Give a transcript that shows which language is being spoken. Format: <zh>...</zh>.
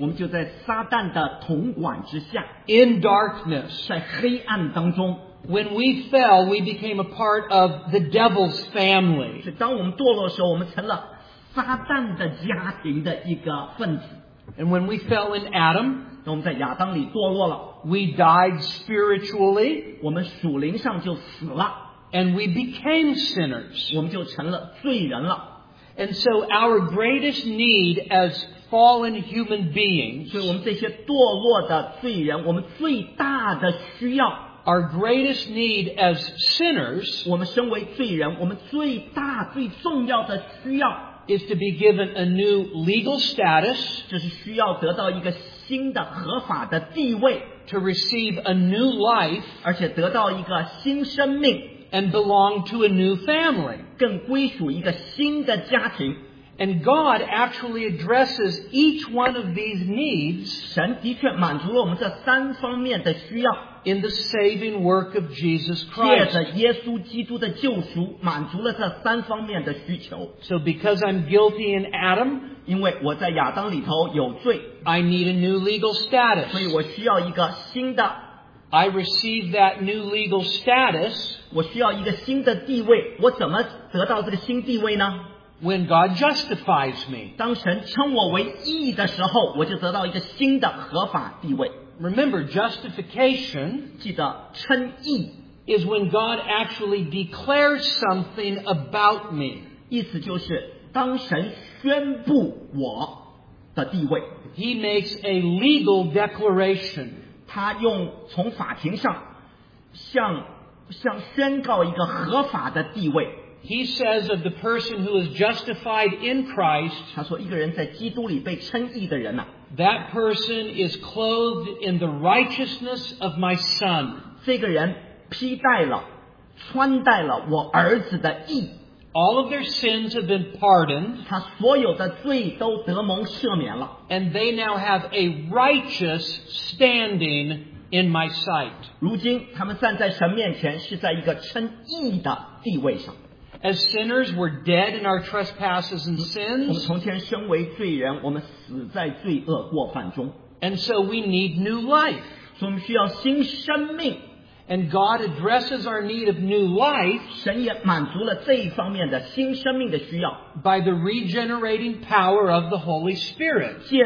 <zh>我们就在撒旦的统管之下。</zh> <en>In darkness.</en> <zh>在黑暗当中。</zh> <en>When we fell, we became a part of the devil's family.</en> <zh>是当我们堕落的时候，我们成了撒旦的家庭的一个分子。</zh> <en>And when we fell in Adam,</en> <zh>当我们在亚当里堕落了，</zh> <en>we died spiritually,</en> <zh>我们属灵上就死了，</zh> <en>and we became sinners,</en> <zh>我们就成了罪人了。</zh> <en>And so our greatest need as fallen human beings,</en> <zh>所以我们这些堕落的罪人，我们最大的需要，</zh> <en>our greatest need as sinners,</en> <zh>我们身为罪人，我们最大最重要的需要，</zh> <en>is to be given a new legal status,</en> <zh>就是需要得到一个新的合法的地位，</zh> <en>to receive a new life,</en> <zh>而且得到一个新生命，</zh> <en>and belong to a new family,</en> <zh>更归属一个新的家庭。</zh> <en>And God actually addresses each one of these needs,</en> <zh>神的确满足了我们这三方面的需要，</zh> <en>in the saving work of Jesus Christ.</en> <zh>借着耶稣基督的救赎满足了这三方面的需求。</zh> <en>So because I'm guilty in Adam,</en> <zh>因为我在亚当里头有罪，</zh> <en>I need a new legal status.</en> <zh>所以我需要一个新的，</zh> <en>I receive that new legal status.</en> <zh>我需要一个新的地位。我怎么得到这个新地位呢？</zh> <en>When God justifies me.</en> <zh>当神称我为义的时候，我就得到一个新的合法地位。</zh> <en>Remember, justification,</en> <zh>记得称义,</zh> <en>is when God actually declares something about me.</en> <zh>意思就是当神宣布我的地位。</zh> <en>He makes a legal declaration.</en> <zh>他用从法庭上向宣告一个合法的地位。</zh> <en>He says of the person who is justified in Christ,</en> <zh>他说一个人在基督里被称义的人啊，</zh> <en>that person is clothed in the righteousness of my son.</en> <zh>这个人披戴了，穿戴了我儿子的义。</zh> <en>All of their sins have been pardoned.</en> <zh>他所有的罪都得蒙赦免了。</zh> <en>And they now have a righteous standing in my sight.</en> <zh>如今他们站在神面前是在一个称义的地位上。</zh> <en>As sinners, we're dead in our trespasses and sins.</en> <zh>我们从前身为罪人，我们死在罪恶过犯中。</zh> <en>And so we need new life.</en> <zh>所以我们需要新生命。</zh> <en>And God addresses our need of new life by the regenerating power of the Holy Spirit.</en>